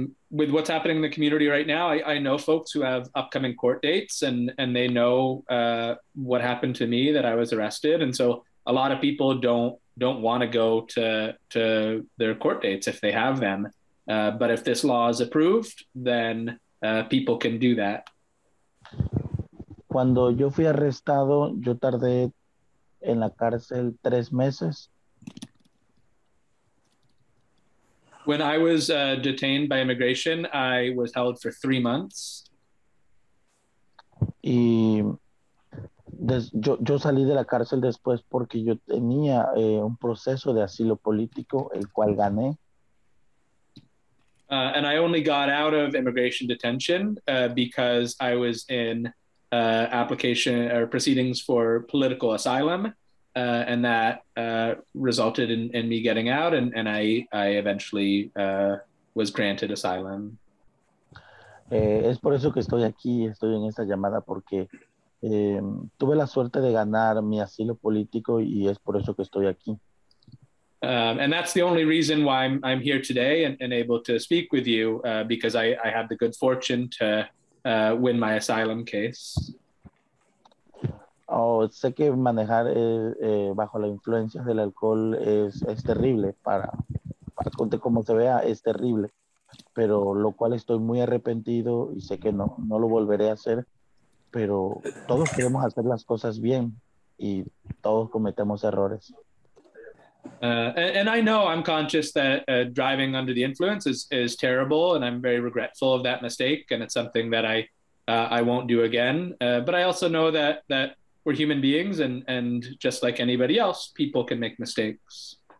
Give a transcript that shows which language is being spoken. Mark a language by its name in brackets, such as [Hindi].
[English] With what's happening in the community right now, I know folks who have upcoming court dates and they know what happened to me, that I was arrested. And so a lot of people don't want to go to their court dates if they have them. But if this law is approved, then people can do that. [Spanish] Cuando yo fui arrestado, yo tardé en la cárcel 3 meses. [English] When I was detained by immigration, I was held for 3 months. [Spanish] Y yo salí de la cárcel después porque yo tenía un proceso de asilo político, el cual gané. [English] And I only got out of immigration detention because I was in application or proceedings for political asylum, and that resulted in me getting out, and I eventually was granted asylum. [Spanish] Es por eso que estoy aquí, estoy en esta llamada, porque tuve la suerte de ganar mi asilo político, y es por eso que estoy aquí. [English] And that's the only reason why I'm here today and able to speak with you, because I had the good fortune to win my asylum case. [Spanish] Oh, sé que manejar bajo la influencia del alcohol es terrible. Para que como se vea, es terrible. Pero lo cual estoy muy arrepentido y sé que no lo volveré a hacer. Pero todos queremos hacer las cosas bien y todos cometemos errores. [English] And I know I'm conscious that driving under the influence is terrible, and I'm very regretful of that mistake, and it's something that I won't do again. But I also know that we're human beings, and just like anybody else, people can make mistakes.